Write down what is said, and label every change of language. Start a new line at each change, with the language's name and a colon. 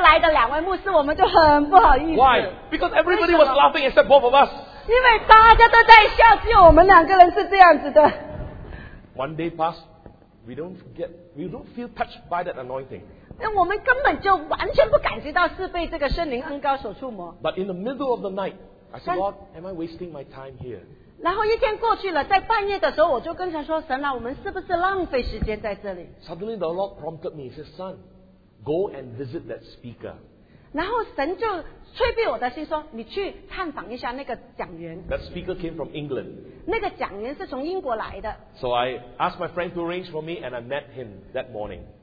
Chinese: 然后忽然间那个牧师就宣布说,哦,我们欢迎从新加坡来的两位牧师,我们就很不好意思。
English: Why? Because everybody was laughing except both of us.
Chinese: 因为大家都在笑,只有我们两个人是这样子的。
English: One day passed, we don't feel touched by that anointing.
Chinese: 因为我们根本就完全不感觉到是被这个圣灵恩膏所触摸。
English: But in the middle of the night, I said, Lord, am I wasting my time here?
Chinese: 然后一天过去了,在半夜的时候,我就跟神说,神啊,我们是不是浪费时间在这里?
English: Suddenly the Lord prompted me, he said, son, go and visit that speaker.
Chinese: 然后神就催逼我的心说,你去探访一下那个讲员。
English: That speaker came from England.
Chinese: 那个讲员是从英国来的。
English: So I asked my friend to arrange for me, and I met him that morning.